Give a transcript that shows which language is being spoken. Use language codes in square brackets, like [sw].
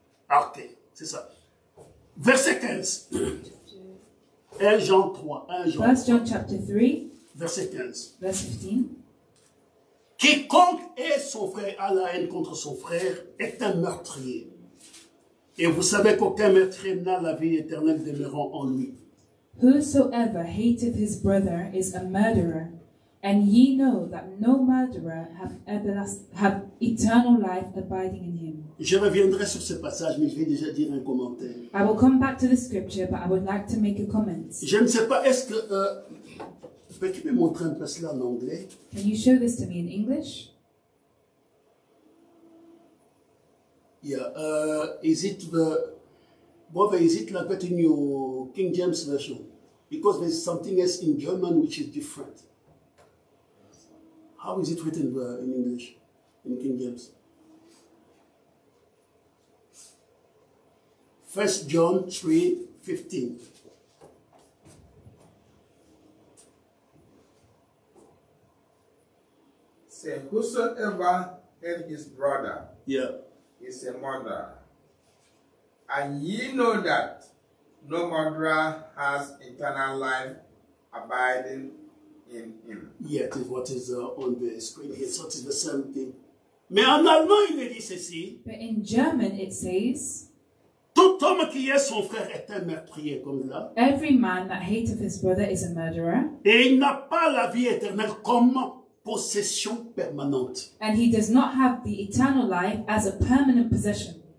[fr] Ok, c'est ça. Verset 15. 1 Jean 3. 1 Jean chapitre 3. Verset 15. [en] Verse 15. [fr] Quiconque est son frère a la haine contre son frère est un meurtrier. Et vous savez qu'aucun meurtrier n'a la vie éternelle demeurant en lui. [en] Whosoever hateth his brother is a murderer, and ye know that no murderer have eternal life abiding in him. [fr] Je reviendrai sur ce passage, mais je vais déjà dire un commentaire. [en] I will come back to the scripture, but I would like to make a comment. [fr] Je ne sais pas, est-ce que peux-tu me montrer un peu cela en anglais? [en] Can you show this to me in English? Yeah, is it the brother? Is it like that in your King James version? Because there's something else in German which is different. How is it written in English in King James? 1 John 3:15. Say, whosoever hath his brother. Yeah. Is a murderer, and ye know that no murderer has eternal life abiding in him. Yeah, it is what is on the screen here. So it is the same thing. [fr] Mais en allemand il dit ceci. [en] But in German it says, [fr] tout homme qui est son frère est un meurtrier comme là. [en] Every man that hateth his brother is a murderer. [fr] Et il n'a pas la vie éternelle comme possession permanente. [en] And he does not have the eternal life as a permanent possession.